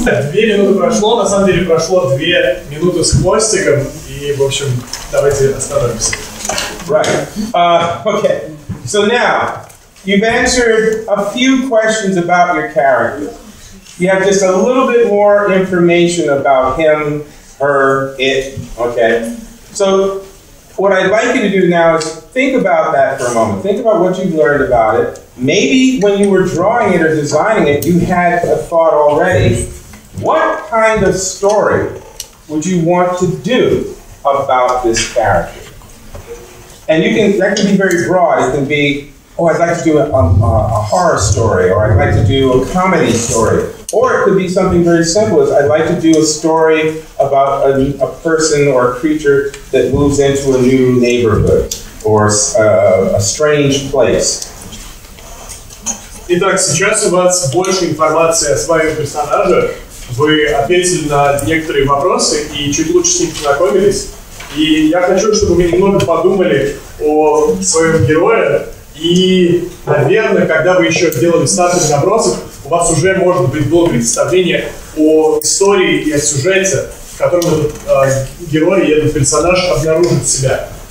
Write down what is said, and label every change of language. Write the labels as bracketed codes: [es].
[ru] Две минуты прошло, на самом деле прошло 2 минуты с хвостиком, и, в общем, давайте остановимся. [en] Right. Okay. So now, you've answered a few questions about your character. You have just a little bit more information about him, her, it, okay? So, what I'd like you to do now is think about that for a moment. Think about what you've learned about it. Maybe when you were drawing it or designing it, you had a thought already. What kind of story would you want to do about this character? And you can that can be very broad. It can be, oh, I'd like to do a horror story, or I'd like to do a comedy story. Or it could be something very simple, as I'd like to do a story about a person or a creature that moves into a new neighborhood, or a strange place. [ru] Итак, сейчас у вас больше информации о своем персонаже. Вы ответили на некоторые вопросы и чуть лучше с ним познакомились. И я хочу, чтобы вы немного подумали о своем герое. И, наверное, когда вы еще делали статус вопросов, у вас уже, может быть, было представление о истории и о сюжете, в котором герой и этот персонаж обнаружит себя.